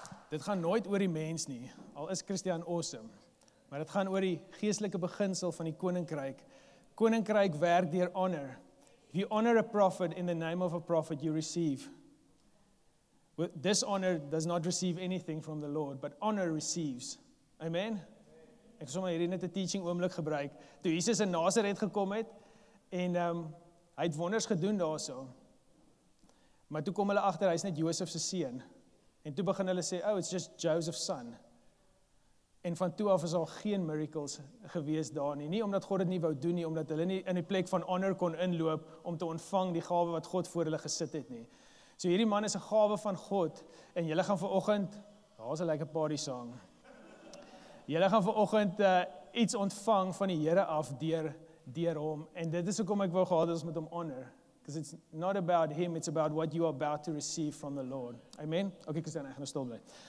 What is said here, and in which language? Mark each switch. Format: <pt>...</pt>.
<af>Dit gaan nooit oor die mens nie, al is Christian awesome, maar dit gaan oor die geestelike beginsel van die koninkryk. Koninkryk werk deur honor.</af> <en>If you honor a prophet in the name of a prophet, you receive. Dishonor does not receive anything from the Lord, but honor receives. Amen?</en> <af>Ek sal maar hierdie net 'n teaching oomblik gebruik. Toe Jesus in Nazaret gekom het, en hy het wonders gedoen daarso. Maar toe kom hulle agter, hy is net Josef se seun. En toe begin hulle sê,</af> <en>it's just Joseph's son.</en> <af>En van toe af is al geen miracles gewees daar nie. Nie omdat God het nie wou doen nie, omdat hulle nie in die plek van honor kon inloop om te ontvang die gawe wat God voor hulle gesit het nie. So hierdie man is een gawe van God. En julle gaan vanoggend, daar is 'n lekker party song. Julle gaan vanoggend iets ontvang van die Here af deur hom. En dit is hoekom ek wou gehad het ons met hom honor.</af> <en>Because it's not about him, it's about what you are about to receive from the Lord. Amen? Okay, because then I'm going to stop there.</en>